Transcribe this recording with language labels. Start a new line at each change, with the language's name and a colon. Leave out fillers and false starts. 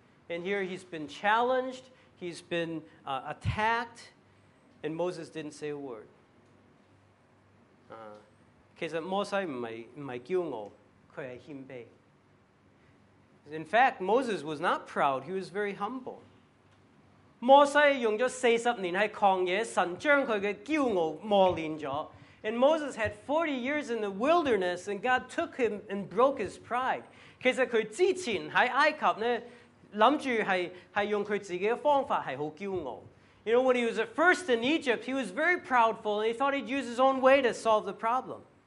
English: And here he's been challenged, he's been attacked, and Moses didn't say a word.
Chinese: 其实摩西不是骄傲,他是谦卑。
English: In fact, Moses was not proud, he was very humble.
Chinese: 摩西用了40年在旷野,神将他的骄傲磨练了。
English: And Moses had 40 years in the wilderness, and God took him and broke his pride.
Chinese: 其实他之前在埃及呢,想着是用他自己的方法,是很骄傲。
English: You know, when he was at first in Egypt, he was very proudful, and he thought he'd use his own way to solve the problem.